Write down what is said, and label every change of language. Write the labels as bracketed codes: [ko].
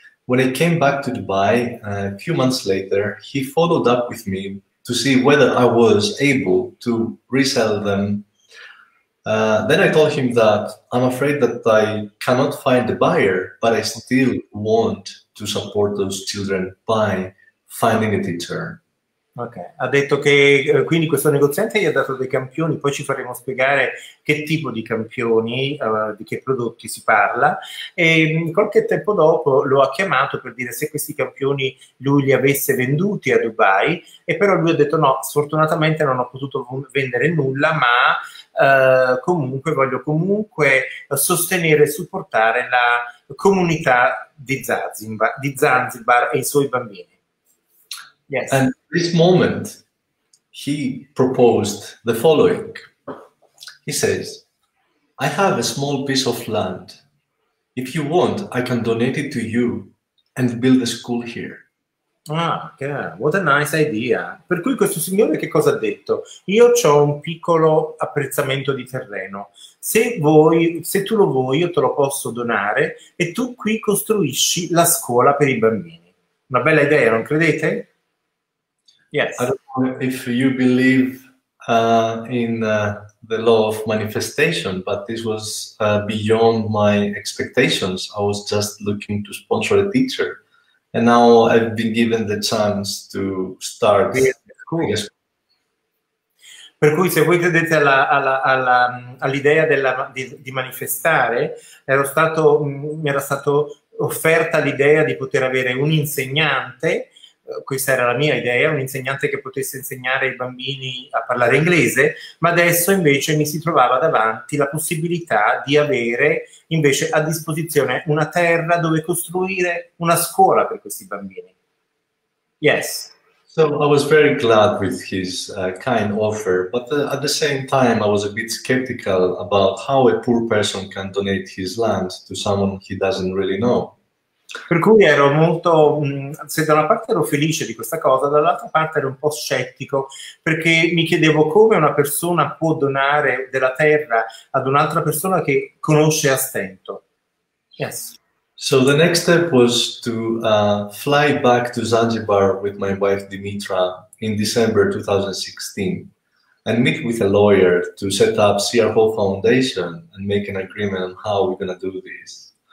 [en] When I came back to Dubai, a few months later, he followed up with me to to see whether I was able to resell them. Then I told him that I'm afraid that I cannot find a buyer, but I still want to support those children by finding a teacher. [it] Ok, ha detto che quindi questo negoziante gli ha dato dei campioni, poi ci faremo spiegare che tipo di campioni, di che prodotti si parla, e qualche tempo dopo lo ha chiamato per dire se questi campioni lui li avesse venduti a Dubai, e però lui ha detto no, sfortunatamente non ho potuto vendere nulla, ma comunque voglio comunque sostenere e supportare la comunità di Zanzibar e i suoi bambini. [en] Yes. And this moment, he proposed the following. He says, I have a small piece of land. If you want, I can donate it to you and build a school here. Ah, okay. What a nice idea. [it] Per cui questo signore che cosa ha detto? Io c'ho un piccolo appezzamento di terreno. Se tu lo vuoi, io te lo posso donare e tu qui costruisci la scuola per i bambini. Una bella idea, non credete? [en] Yes. I don't know if you believe in the law of manifestation, but this was beyond my expectations. I was just looking to sponsor a teacher, and now I've been given the chance to start. [it] Per cui se voi credete all'idea di manifestare, mi era stato offerta l'idea di poter avere un insegnante. Questa era la mia idea, un insegnante che potesse insegnare ai bambini a parlare inglese, ma adesso invece mi si trovava davanti la possibilità di avere invece a disposizione una terra dove costruire una scuola per questi bambini. [en] Yes. So I was very glad with his kind offer, but at the same time I was a bit skeptical about how a poor person can donate his land to someone he doesn't really know. [it] Per cui ero molto, se da una parte ero felice di questa cosa, dall'altra parte ero un po' scettico, perché mi chiedevo come una persona può donare della terra ad un'altra persona che conosce a stento. [en] Yes. So the next step was to fly back to Zanzibar with my wife Dimitra in December 2016 and meet with a lawyer to set up CRO Foundation and make an agreement on how we're going to do this.